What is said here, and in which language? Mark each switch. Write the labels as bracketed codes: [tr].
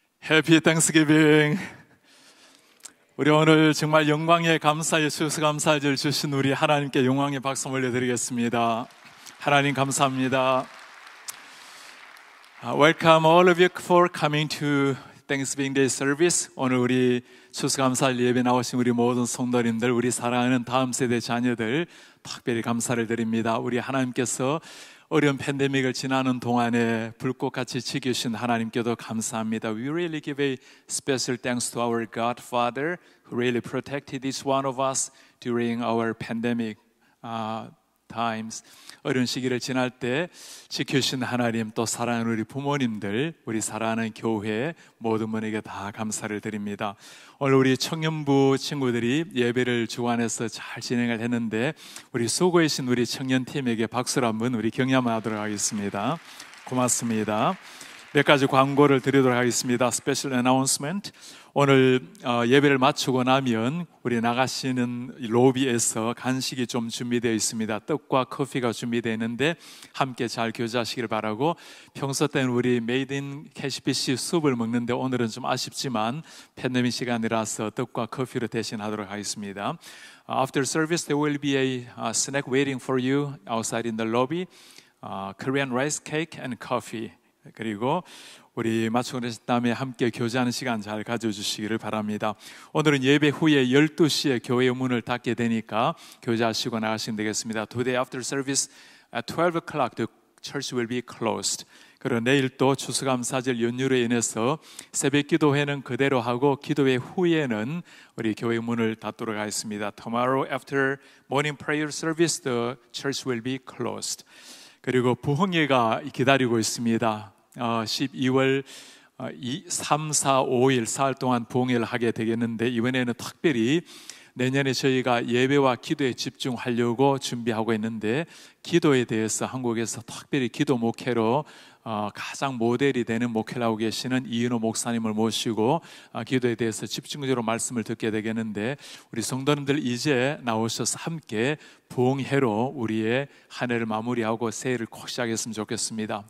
[en] 해피 땡스기빙. [ko] 우리 오늘 정말 영광의 감사의 주스 감사를 주신 우리 하나님께 영광의 박수 올려드리겠습니다. 하나님 감사합니다. [en] Welcome all of you for coming to Thanksgiving Day service. [ko] 오늘 우리 추수감사할 예배 나오신 우리 모든 성도님들, 우리 사랑하는 다음 세대 자녀들 특별히 감사를 드립니다. 우리 하나님께서 어려운 팬데믹을 지나는 동안에 불꽃같이 지켜주신 하나님께도 감사합니다. [en] We really give a special thanks to our Godfather who really protected each one of us during our pandemic times. [ko] 어려운 시기를 지날 때 지켜주신 하나님, 또 사랑하는 우리 부모님들, 우리 사랑하는 교회 모든 분에게 다 감사를 드립니다. 오늘 우리 청년부 친구들이 예배를 주관해서 잘 진행을 했는데 우리 수고해주신 우리 청년팀에게 박수를 한번 우리 경례하도록 하겠습니다. 고맙습니다. 몇 가지 광고를 드리도록 하겠습니다. [en] Special announcement. [ko] 오늘 예배를 마치고 나면 우리 나가시는 로비에서 간식이 좀 준비되어 있습니다. 떡과 커피가 준비되어 있는데 함께 잘 교제하시길 바라고, 평소 때는 우리 Made in KCPC 수업을 먹는데 오늘은 좀 아쉽지만 팬데믹 시간이라서 떡과 커피로 대신하도록 하겠습니다. [en] After service there will be a snack waiting for you outside in the lobby. Korean rice cake and coffee. [ko] 그리고 우리 마치고 나신 다음에 함께 교제하는 시간 잘 가져주시기를 바랍니다. 오늘은 예배 후에 12시에 교회 문을 닫게 되니까 교제하시고 나가시면 되겠습니다. [en] Today after service at 12 o'clock the church will be closed. [ko] 그리고 내일도 추수감사절 연휴로 인해서 새벽 기도회는 그대로 하고 기도회 후에는 우리 교회 문을 닫도록 하겠습니다. [en] Tomorrow after morning prayer service the church will be closed. [ko] 그리고 부흥회가 기다리고 있습니다. 12월 3, 4, 5일, 4일 동안 부흥회를 하게 되겠는데 이번에는 특별히 내년에 저희가 예배와 기도에 집중하려고 준비하고 있는데 기도에 대해서 한국에서 특별히 기도 목회로 가장 모델이 되는 목회를 하고 계시는 이은호 목사님을 모시고 기도에 대해서 집중적으로 말씀을 듣게 되겠는데 우리 성도님들 이제 나오셔서 함께 부흥회로 우리의 한 해를 마무리하고 새해를 꼭 시작했으면 좋겠습니다.